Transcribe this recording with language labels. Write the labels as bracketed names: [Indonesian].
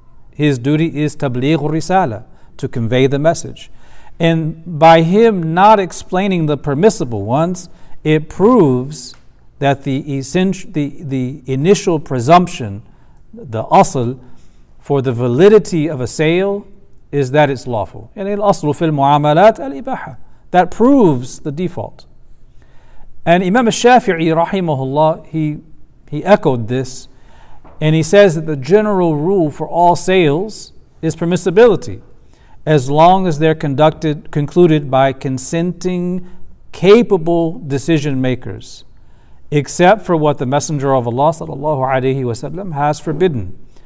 [English] His duty is tabligh risala, to convey the message. And by him not explaining the permissible ones, it proves that the initial presumption, the asl, for the validity of a sale is that it's lawful. [Arabic] And الأصل في المعاملات الإباحة. [English] That proves the default. And Imam al-Shafi'i rahimahullah, he echoed this, and he says that the general rule for all sales is permissibility, as long as they're concluded by consenting, capable decision makers, except for what the Messenger of Allah sallallahu alayhi wasallam has forbidden.